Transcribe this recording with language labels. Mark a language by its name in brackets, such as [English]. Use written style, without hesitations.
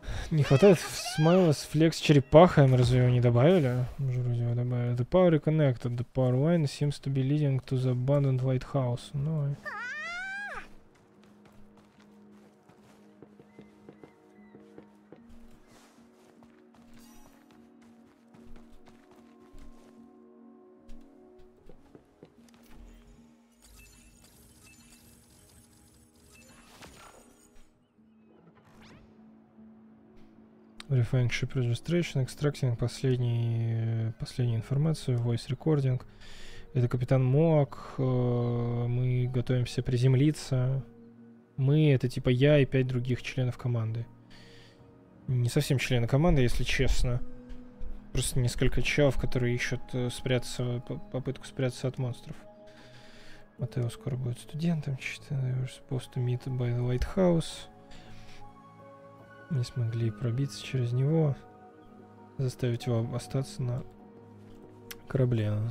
[Russian] Не хватает смайла с флекс черепаха, мы разве его не добавили? Уже вроде его добавили. [English] The power connected, the power line seems to be leading to the abandoned lighthouse. [Russian] Ну и... [English] Refining ship registration, extracting [Russian] последнюю информацию, [English] voice recording. [Russian] Это капитан Мок. Мы готовимся приземлиться. Мы, это типа я и 5 других членов команды. Не совсем члены команды, если честно. Просто несколько челов, которые ищут спрятаться, попытку спрятаться от монстров. Матео скоро будет студентом. [English] You're supposed to meet by the lighthouse. [Russian] Не смогли пробиться через него, заставить его остаться на корабле.